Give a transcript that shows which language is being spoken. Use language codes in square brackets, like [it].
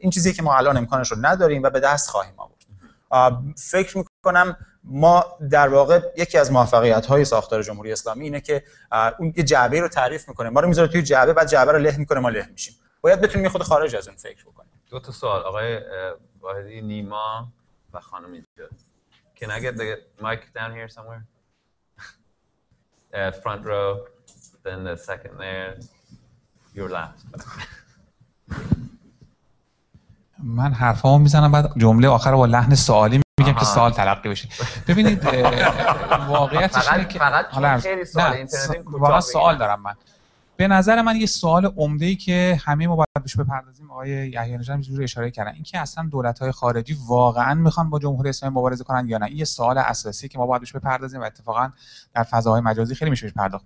[fa] این چیزیه که ما الان امکانش رو نداریم و به دست خواهیم آورد. فکر می‌کنم ما در واقع یکی از موفقیت‌های ساختار جمهوری اسلامی اینه که اون یه جعبه رو تعریف می‌کنه، ما رو می‌ذاره توی جعبه، بعد جعبه رو له می‌کنه، ما له می‌شیم. باید بتونیم خود خارج از اون فکر بکنیم. دو تا سوال آقای واحدی، نیما و خانم اینجاست. [en] Can I get the mic down here somewhere? Front row, then the second there, your last. [fa] من حرفامو میزنم بعد جمله آخر با لحن سوالی میگم که سوال تلقی بشه. ببینید واقعیتش اینه که فقط حالا خیلی سوال اینترنتی کوتاه، سوال دارم من. به نظر من یه سوال عمده ای که همه ما باید بهش بپردازیم، آقای یحیی نژاد هم اینجوری اشاره کردن، این که اصلا دولت‌های خارجی واقعاً میخوان با جمهوری اسلامی مبارزه کنن یا نه، این یه سوال اساسی که ما باید بهش بپردازیم و اتفاقاً در فضاهای مجازی خیلی میشه بهش پرداخت.